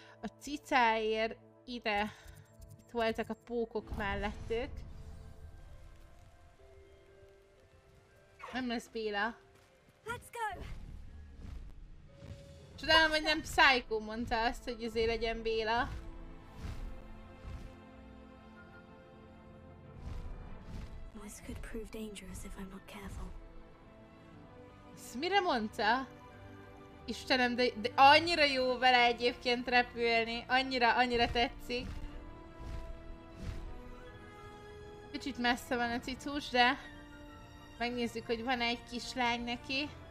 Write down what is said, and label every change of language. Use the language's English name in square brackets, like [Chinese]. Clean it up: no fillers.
[Hungarian] A cicáért ide, itt voltak a pókok mellettük. Nem lesz Béla. [English] Let's go. [Hungarian] Csodálom, hogy nem Psycho mondta azt, hogy azért legyen Béla. [English] This could prove dangerous if I'm not careful. [Hungarian] Ezt mire mondta? Istenem, de annyira jó vele egyébként repülni. Annyira tetszik. Kicsit messze van a cicus, de... Megnézzük, hogy van egy kislány neki.